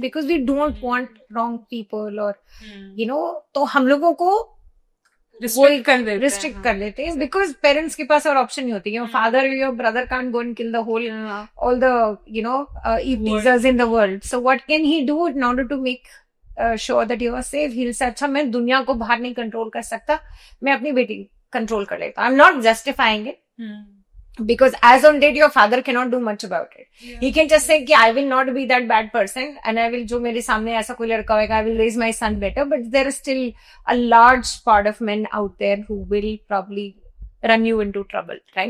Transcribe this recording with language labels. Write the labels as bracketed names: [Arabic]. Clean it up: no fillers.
[English] Because we don't want wrong people or, [Hindi] to hum logo ko [English] restrict [Hindi] कर लेते हैं, [English] because parents [Hindi] के पास और [English] option [Hindi] नहीं होती है, [English] father or your brother can't go and kill the whole all the teasers in the world. So what can he do in order to make sure that you are safe? He'll say, [Hindi] अच्छा मैं दुनिया को बाहर नहीं control कर सकता, मैं अपनी बेटी control कर लेता. [English] I'm not justifying it, because as on date your father cannot do much about it. He can just say कि I will not be that bad person and I will, [Hindi] जो मेरे सामने ऐसा कोई लड़का होगा, [English] I will raise my son better. But there is still a large part of men out there who will probably run you into trouble, right?